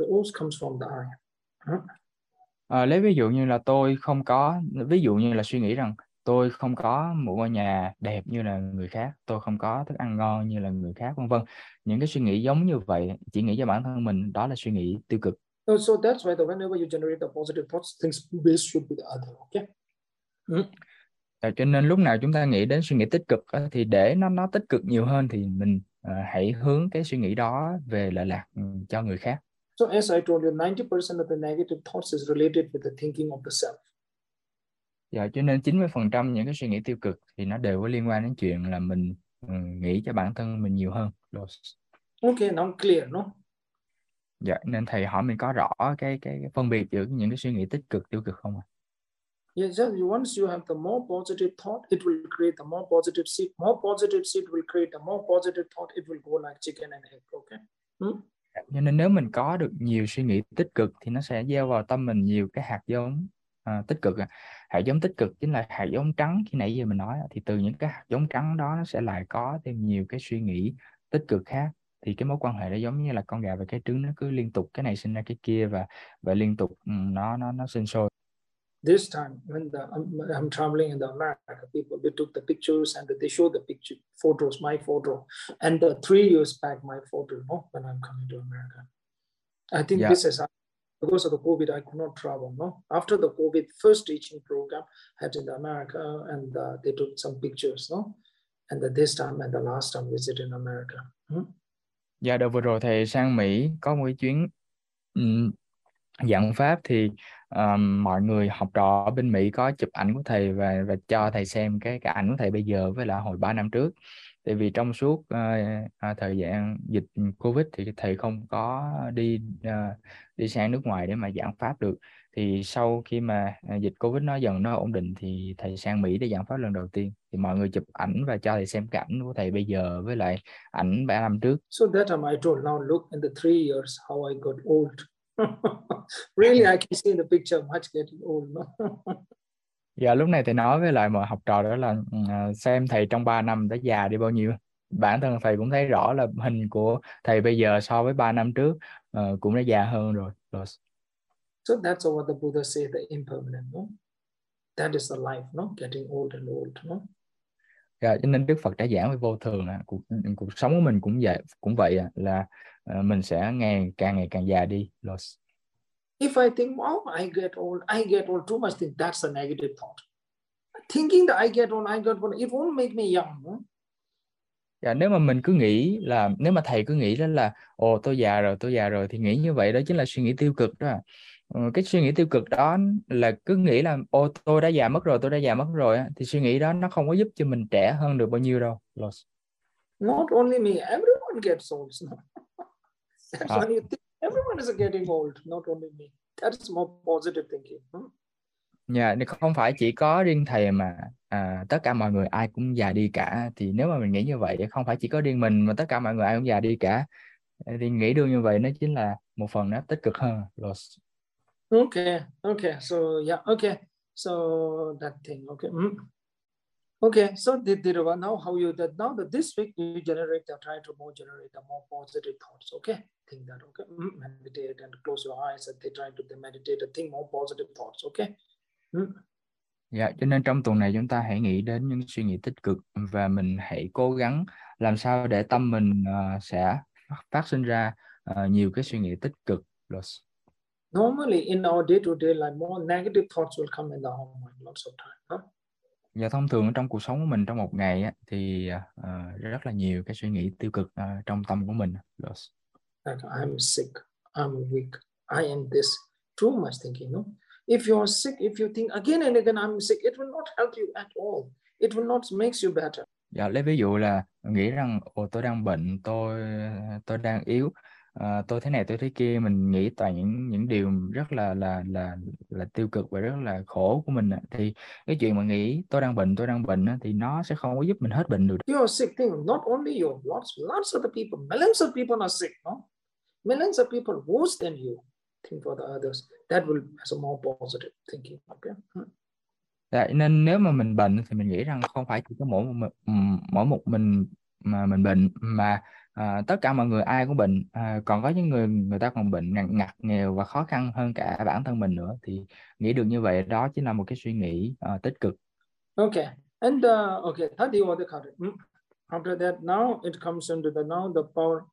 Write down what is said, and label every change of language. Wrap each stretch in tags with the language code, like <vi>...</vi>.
<en>It always comes from the eye.</en> <vi>Lấy ví dụ như là tôi không có, ví dụ như là suy nghĩ rằng tôi không có một ngôi nhà đẹp như là người khác, tôi không có thức ăn ngon như là người khác, vân vân. Những cái suy nghĩ giống như vậy, chỉ nghĩ cho bản thân mình, đó là suy nghĩ tiêu cực.</vi> <en>So that's why whenever you generate the positive thoughts, things based should be the other, okay?</en> <vi>Cho nên lúc nào chúng ta nghĩ đến suy nghĩ tích cực thì để nó tích cực nhiều hơn thì mình hãy hướng cái suy nghĩ đó về lợi lạc cho người khác.</vi> <en>So as I told you, 90% of the negative thoughts is related with the thinking of the self.</en> <vi>Dạ, cho nên 90% những cái suy nghĩ tiêu cực thì nó đều có liên quan đến chuyện là mình nghĩ cho bản thân mình nhiều hơn.</vi> <en>Okay, now clear, no?</en> <vi>Dạ, nên thầy hỏi mình có rõ cái phân biệt giữa những cái suy nghĩ tích cực tiêu cực không ạ?</vi> <en>Yes, once you have the more positive thought, it will create the more positive seed. More positive seed will create the more positive thought. It will go like chicken and egg. Okay.</en> <vi>Cho nên nếu mình có được nhiều suy nghĩ tích cực thì nó sẽ gieo vào tâm mình nhiều cái hạt giống tích cực. Hạt giống tích cực chính là hạt giống trắng khi nãy giờ mình nói, thì từ những cái hạt giống trắng đó nó sẽ lại có thêm nhiều cái suy nghĩ tích cực khác, thì cái mối quan hệ đó giống như là con gà và cái trứng, nó cứ liên tục cái này sinh ra cái kia và liên tục nó sinh sôi.</vi> <en>This time when I'm traveling in the America, people, they took the pictures and they showed the picture photos, my photo, and 3 years back my photo, no, when I'm coming to America. I think</en> <vi>Dạ.</vi> <en>this has happened because of the COVID. I could not travel, no. After the COVID, first teaching program had in America, and they took some pictures, no, and this time and the last time visit in America.</en> <vi>Dạ, đợt vừa rồi thầy sang Mỹ có một cái chuyến dạng Pháp, thì mọi người học trò ở bên Mỹ có chụp ảnh của thầy và cho thầy xem cái ảnh của thầy bây giờ với là hồi 3 năm trước. Tại vì trong suốt thời gian dịch COVID thì thầy không có đi đi sang nước ngoài để mà giảng pháp được. Thì sau khi mà dịch COVID nó dần nó ổn định thì thầy sang Mỹ để giảng pháp lần đầu tiên. Thì mọi người chụp ảnh và cho thầy xem cái ảnh của thầy bây giờ với lại ảnh 3 năm trước.</vi> <en>So that time I told, now look in the 3 years how I got old. Really, I can see in the picture much getting old.</en> <vi>Dạ, lúc này thầy nói với lại mọi học trò đó là xem thầy trong 3 năm đã già đi bao nhiêu. Bản thân thầy cũng thấy rõ là hình của thầy bây giờ so với 3 năm trước cũng đã già hơn rồi.</vi> <en>So that's what the Buddha say, the impermanent, no? That is the life, no? Getting old and old, no?</en> <vi>Dạ, cho nên Đức Phật đã giảng về vô thường à. Cuộc sống của mình cũng vậy à, là mình sẽ ngày càng già đi.</vi> <en>If I think, oh, I get old too much, then that's a negative thought. Thinking that I get old, it won't make me young.</en> <vi>Dạ, nếu mà mình cứ nghĩ là nếu mà thầy cứ nghĩ đó là ồ tôi già rồi thì nghĩ như vậy đó chính là suy nghĩ tiêu cực đó. Cái suy nghĩ tiêu cực đó là cứ nghĩ là ồ tôi đã già mất rồi thì suy nghĩ đó nó không có giúp cho mình trẻ hơn được bao nhiêu đâu.</vi> <en>Not only me, everyone gets old. That's</en> <vi>Dạ.</vi> <en>why you think. Everyone is getting old, not only me. That's more positive thinking.</en> <vi>Yeah, không phải chỉ có riêng thầy mà tất cả mọi người ai cũng già đi cả, thì nếu mà mình nghĩ như vậy không phải chỉ có riêng mình mà tất cả mọi người ai cũng già đi cả, thì nghĩ được như vậy nó chính là một phần nó tích cực hơn.</vi> <en>Okay. So yeah. Okay. So that thing. Okay. Okay. So did now how you that now that this week you generate the try to more generate the more positive thoughts. Okay. Think that okay, meditate and close your eyes and they try to they meditate and think more positive thoughts, okay?</en> <vi>Dạ, cho nên trong tuần này chúng ta hãy nghĩ đến những suy nghĩ tích cực và mình hãy cố gắng làm sao để tâm mình sẽ phát sinh ra nhiều cái suy nghĩ tích cực.</vi> <en>Normally in our day-to-day life, more negative thoughts will come in our mind lots of time, huh?</en> <vi>Và thông thường trong cuộc sống của mình trong một ngày á, thì rất là nhiều cái suy nghĩ tiêu cực trong tâm của mình.</vi> <en>That I'm sick, I'm weak, I am this. Too much thinking, no? If you are sick, if you think again and again, I'm sick, it will not help you at all. It will not make you better.</en> <vi>Dạ, lấy ví dụ là nghĩ rằng ồ tôi đang bệnh, tôi đang yếu, Tôi thế này tôi thế kia, mình nghĩ toàn những điều rất là tiêu cực và rất là khổ của mình, thì cái chuyện mà nghĩ tôi đang bệnh thì nó sẽ không có giúp mình hết bệnh được.</vi> <en>You are sick thing, not only you, lots of the people, millions of people are sick, no? Millions of people worse than you. Think for the others. That will be a more positive thinking, okay?</en> <vi>Đấy, nên nếu mà mình bệnh thì mình nghĩ rằng không phải chỉ có mỗi một mình mà mình bệnh, mà tất cả mọi người ai cũng bệnh, còn có những người người ta còn bệnh ngặt nghèo và khó khăn hơn cả bản thân mình nữa, thì nghĩ được như vậy đó chính là một cái suy nghĩ tích cực.</vi> <en>Okay. And okay, that the other card. After that, now it comes into the now the power.</en>